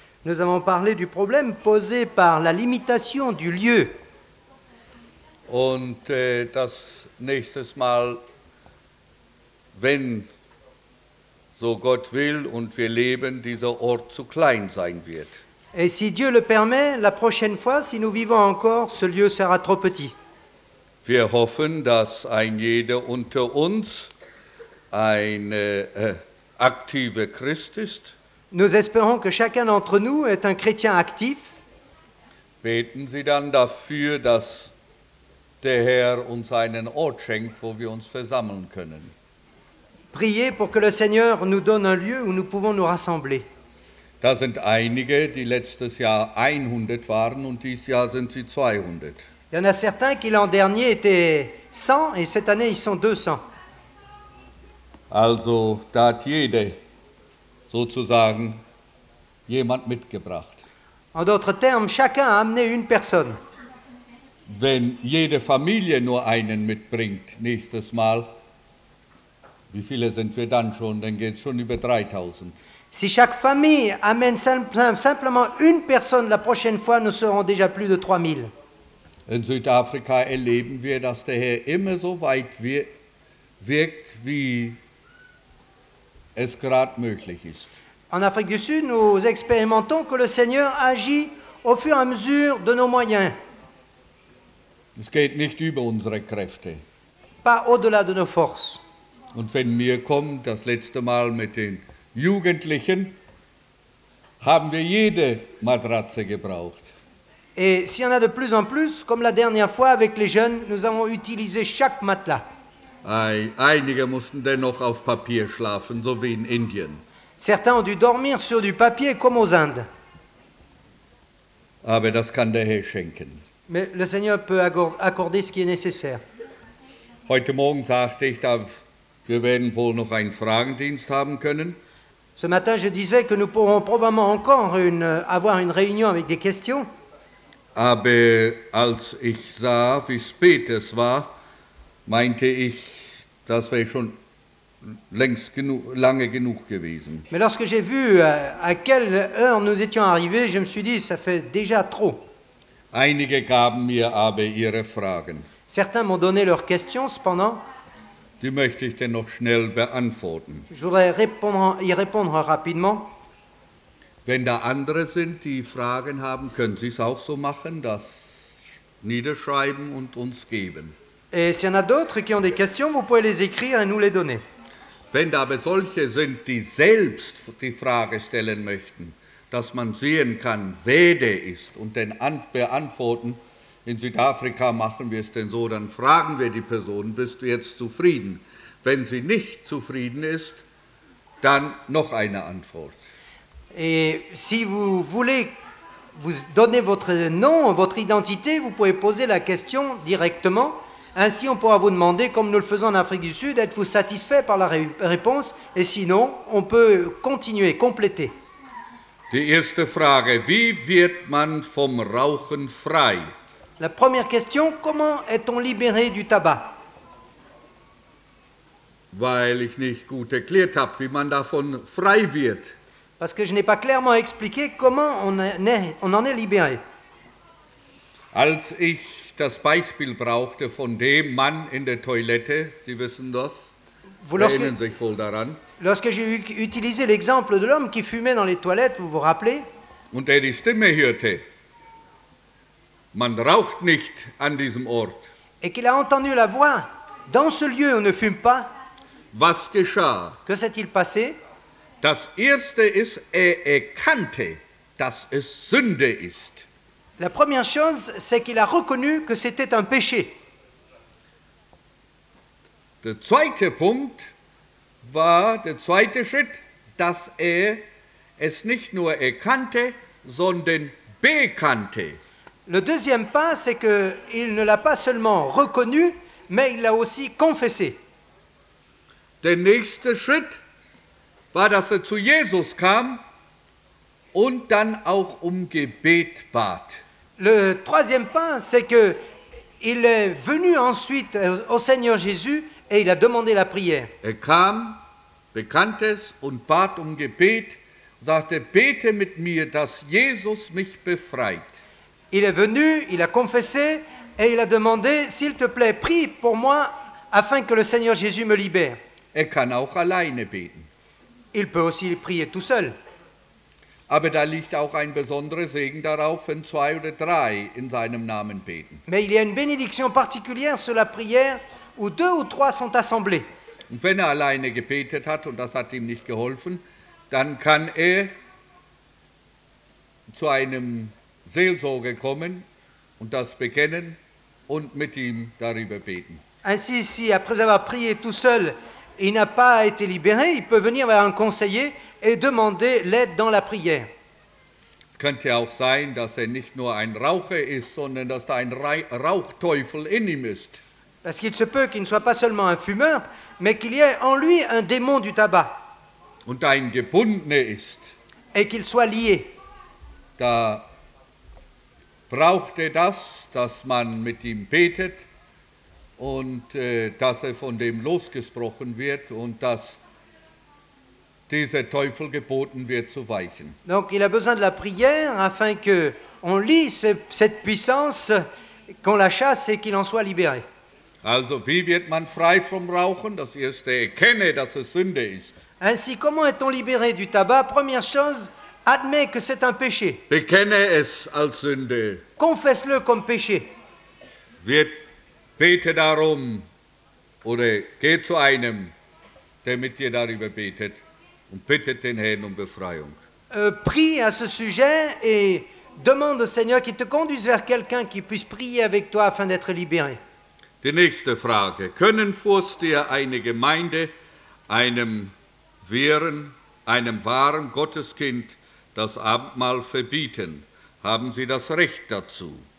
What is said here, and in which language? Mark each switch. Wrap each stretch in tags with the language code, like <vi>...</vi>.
<fr>Nous avons parlé du problème posé par la limitation du lieu.</fr> <de>Und das nächstes Mal, wenn so Gott will und wir leben, dieser Ort zu klein sein wird.</de> <fr>Et si Dieu le permet, la prochaine fois, si nous vivons encore, ce lieu sera trop petit.</fr> <de>Wir hoffen, dass ein jeder unter uns ein aktiver Christ ist.</de> <fr>Nous espérons que chacun d'entre nous est un chrétien actif.</fr> <de>Beten Sie dann dafür, dass der Herr uns einen Ort schenkt, wo wir uns versammeln können.</de> <fr>Priez pour que le Seigneur nous donne un lieu où nous pouvons nous rassembler.</fr> <de>Da sind einige, die letztes Jahr 100 waren und dieses Jahr sind sie 200.</de> <fr>Il y en a certains qui l'an dernier étaient 100 et cette année ils sont 200.</fr> <de>Also, da hat jeder sozusagen jemand mitgebracht.</de> <fr>En d'autres termes, chacun a amené une personne.</fr> <de>Wenn jede Familie nur einen mitbringt nächstes Mal, wie viele sind wir dann schon? Dann geht es schon über 3000.</de> <fr>Si chaque famille amène simplement une personne la prochaine fois, nous serons déjà plus de 3000.</fr> <de>In Südafrika erleben wir, dass der Herr immer so weit wirkt, wie es gerade möglich ist.</de> <fr>En Afrique du Sud, nous expérimentons que le Seigneur agit au fur et à mesure de nos moyens.</fr> <de>Es geht nicht über unsere Kräfte.</de> <fr>Pas au-delà de nos forces.</fr> <de>Und wenn wir kommen, das letzte Mal mit den Jugendlichen, haben wir jede Matratze gebraucht.</de> <fr>Et si on a de plus en plus, comme la dernière fois avec les jeunes, nous avons utilisé chaque matelas.</fr> <de>Einige mussten dennoch auf Papier schlafen, so wie in Indien.</de> <fr>Certains ont dû dormir sur du papier, comme aux Indes.</fr> <de>Aber das kann der Herr schenken.</de> <fr>Mais le Seigneur peut accorder ce qui est nécessaire.</fr> <de>Heute Morgen sagte ich, wir werden wohl noch einen Fragendienst haben können.</de> <fr>Ce matin, je disais que nous pourrons probablement encore avoir une réunion avec des questions.</fr> <de>Aber als ich sah, wie spät es war, meinte ich, das wäre schon längst lange genug gewesen.</de> <fr>Mais lorsque j'ai vu à quelle heure nous étions arrivés, je me suis dit, ça fait déjà trop.</fr> <de>Einige gaben mir aber ihre Fragen.</de> <fr>Certains m'ont donné leurs questions, cependant.</fr> <de>Die möchte ich dennoch schnell beantworten.</de> <fr>Je voudrais y répondre rapidement.</fr> <de>Wenn da andere sind, die Fragen haben, können Sie es auch so machen, das niederschreiben und uns geben.</de> <fr>Et s'il y en a d'autres qui ont des questions, vous pouvez les écrire et nous les donner.</fr> <de>Wenn da aber solche sind, die selbst die Frage stellen möchten, dass man sehen kann, wer der ist und den beantworten, in Südafrika machen wir es denn so, dann fragen wir die Person, bist du jetzt zufrieden? Wenn sie nicht zufrieden ist, dann noch eine Antwort.</de> <fr>Et si vous voulez vous donner votre nom, votre identité, vous pouvez poser la question directement. Ainsi, on pourra vous demander, comme nous le faisons en Afrique du Sud, êtes-vous satisfait par la réponse? Et sinon, on peut continuer, compléter.</fr> <de>Die erste Frage, wie wird man vom Rauchen frei?</de> <fr>La première question, comment est-on libéré du tabac?</fr> <de>Weil ich nicht gut erklärt habe, wie man davon frei wird.</de> <fr>Parce que je n'ai pas clairement expliqué comment on en est libéré.</fr> <de>Als ich das Beispiel brauchte von dem Mann in der Toilette, Sie wissen das, erinnern sich wohl daran.</de> <fr>Lorsque j'ai utilisé l'exemple de l'homme qui fumait dans les toilettes, vous vous rappelez?</fr> <de>Und er die Stimme hörte. Man raucht nicht an diesem Ort.</de> <fr>Et qu'il a entendu la voix. Dans ce lieu, on ne fume pas.</fr> <de>Was geschah?</de> <fr>Que s'est-il passé?</fr> <de>Das erste ist, erkannte, dass es Sünde ist.</de> <fr>La première chose, c'est qu'il a reconnu que c'était un péché.</fr> <de>Der zweite Punkt war, der zweite Schritt, dass er es nicht nur erkannte, sondern bekannte.</de> <fr>Le deuxième pas, c'est que il ne l'a pas seulement reconnu, mais il l'a aussi confessé.</fr> <de>Der nächste Schritt war, dass er zu Jesus kam und dann auch um Gebet bat.</de> <fr>Le troisième pas, c'est que il est venu ensuite au Seigneur Jésus et il a demandé la prière.</fr> <de>Er kam, bekannte es und bat um Gebet und sagte: "Bete mit mir, dass Jesus mich befreit."</de> <fr>Il est venu, il a confessé et il a demandé, s'il te plaît, prie pour moi afin que le Seigneur Jésus me libère.</fr> <de>Er kann auch alleine beten.</de> <fr>Il peut aussi prier tout seul.</fr> <de>Aber da liegt auch ein besonderer Segen darauf, wenn zwei oder drei in seinem Namen beten.</de> <fr>Mais il y a une bénédiction particulière sur la prière où deux ou trois sont assemblés.</fr> <de>Und wenn er alleine gebetet hat und das hat ihm nicht geholfen, dann kann er zu einem Seelsorge kommen und das bekennen und mit ihm darüber beten.</de> <fr>Ainsi, si après avoir prié tout seul, il n'a pas été libéré, il peut venir vers un conseiller et demander l'aide dans la prière.</fr> <de>Es könnte auch sein, dass er nicht nur ein Raucher ist, sondern dass da ein Rauchteufel in ihm ist.</de> <fr>Parce qu'il se peut qu'il ne soit pas seulement un fumeur, mais qu'il y ait en lui un démon du tabac.</fr> <de>Und ein Gebundener ist.</de> <fr>Et qu'il soit lié.</fr> <de>Da braucht er das, dass man mit ihm betet und dass er von dem losgesprochen wird und dass dieser Teufel geboten wird zu weichen.</de> <fr>Donc il a besoin de la prière afin que on lie cette puissance, qu'on la chasse et qu'il en soit libéré.</fr> <de>Also wie wird man frei vom Rauchen? Das erste, erkenne, dass es Sünde ist.</de> <fr>Ainsi, comment est-on libéré du tabac? Première chose, admet que c'est un péché.</fr> <de>Bekenne es als Sünde.</de> <fr>Confesse-le comme péché.</fr> <de>Bete darum oder geh zu einem, der mit dir darüber betet und bittet den Herrn um Befreiung.</de> <fr>Prie à ce sujet et demande au Seigneur qu'il te conduise vers quelqu'un qui puisse prier avec toi afin d'être libéré.</fr> <de>Die nächste Frage: Können Vorsteher eine Gemeinde einem wahren Gotteskind das Abendmahl verbieten? Haben Sie das Recht dazu?</de>